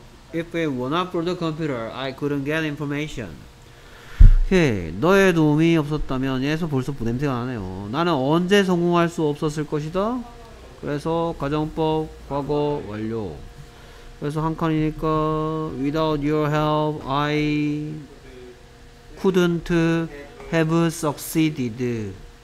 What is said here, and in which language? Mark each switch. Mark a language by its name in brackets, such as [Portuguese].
[English] If it were not for the computer, I couldn't get information. Okay. [Korean] 너의 도움이 없었다면 얘에서 벌써 부냄새가 나네요. 나는 언제 성공할 수 없었을 것이다? 그래서 과정법 과거 완료. 그래서 한 칸이니까 [English] without your help I couldn't have succeeded.